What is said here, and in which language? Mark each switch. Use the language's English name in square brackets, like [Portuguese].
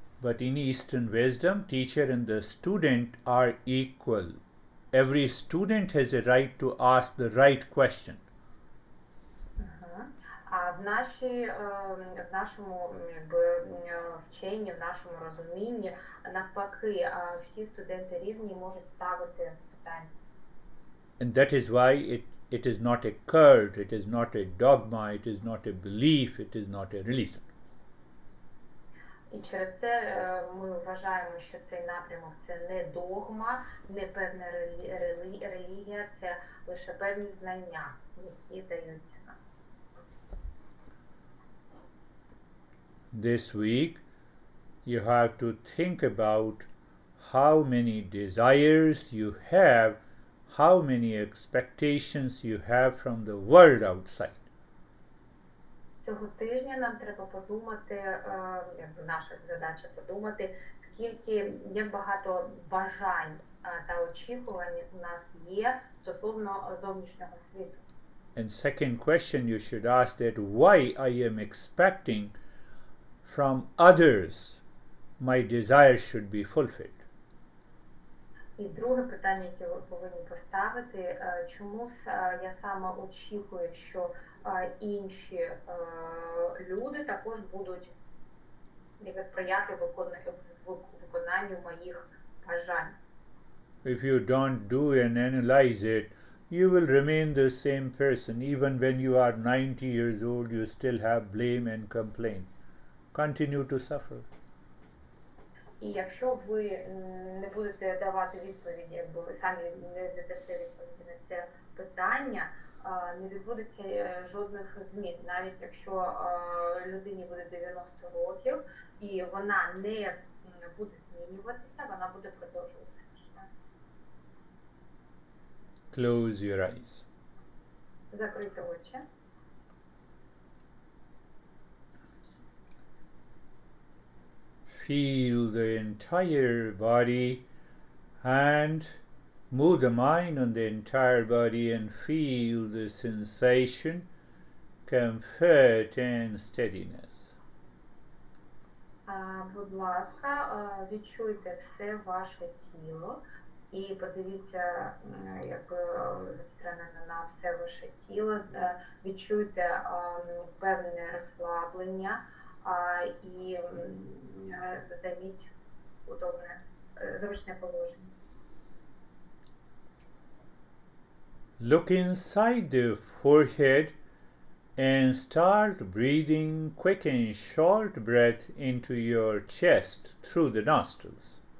[English] But in Eastern wisdom, teacher and the student are equal. Every student has a right to ask the right question. [Ukrainian] А в нашому вченні, в нашому розумінні, навпаки, всі студенти рівні можуть ставити питання. [English] And that is why it is not a cult, it is not a dogma, it is not a belief, it is not a religion. [Ukrainian] І через це ми вважаємо, що цей напрямок – це не догма, не певна релігія, це лише певні знання, які даються нам. [English] This week you have to think about how many desires you have, how many expectations you have from the world outside. [Ukrainian] Цього тижня нам треба подумати, наша задача подумати, скільки, як багато бажань та очікувань у нас є стосовно зовнішнього світу. [English] And second question you should ask that why I am expecting from others my desire should be fulfilled. [Ukrainian] І друге питання, яке ви повинні поставити, чому я саме очікую, що інші люди також будуть якось сприяти виконанню моїх бажань. [English] If you don't do and analyze it, you will remain the same person. Even when you are 90 years old, you still have blame and complain. Continue to suffer. [Ukrainian] І якщо ви не будете давати відповіді, якби ви самі не дадете відповіді на це питання, не відбудеться жодних змін, навіть якщо людині буде 90 років і вона не буде змінюватися, вона буде продовжуватися. [English] Close your eyes. [Ukrainian] Закрити очі. [English] feel the entire body and move the mind on the entire body and feel the sensation, comfort and steadiness. [Ukrainian] Будь ласка, відчуйте все ваше тіло і подивіться, як сторонами на все ваше тіло, відчуйте певне розслаблення і займіть удобне, зручне положення. [English] Look inside the forehead and start breathing quick and short breath into your chest through the nostrils.